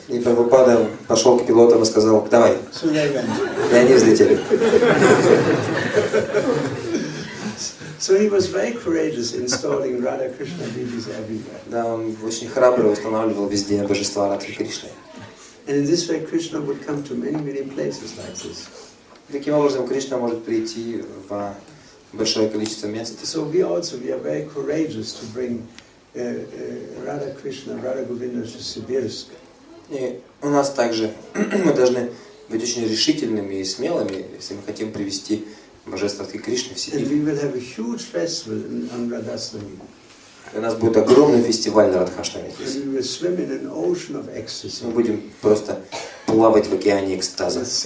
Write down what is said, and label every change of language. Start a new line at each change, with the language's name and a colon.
Russian: И Прабхупада пошел к пилотам и сказал, давай. И они взлетели.
English: So he was very courageous installing Radha Krishna deities everywhere.
Russian: Да, он очень храбро устанавливал везде божества Радхи Кришны.
English: And in this way Krishna would come to many places like this.
Russian: Таким образом Кришна может прийти во большое количество мест.
English: So we also we are very courageous to bring Radha Krishna, Radha Govinda to Sibirsk.
Russian: И у нас также мы должны быть очень решительными и смелыми, если мы хотим привести Божество Радхи Кришны в Сибирь.
English: And we will have a huge festival on Radhashtami.
Russian: У нас будет огромный фестиваль на Радхаштами. Мы будем просто плавать в океане экстаза.